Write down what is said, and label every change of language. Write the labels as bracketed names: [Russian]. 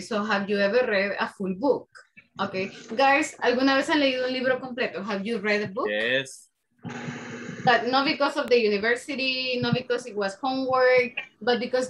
[English] So have you ever read a full book? Okay, guys, [Spanish] ¿alguna vez han leído un libro completo? [English] Have you read a book? Yes. But not because of the university, not because it was homework, but because...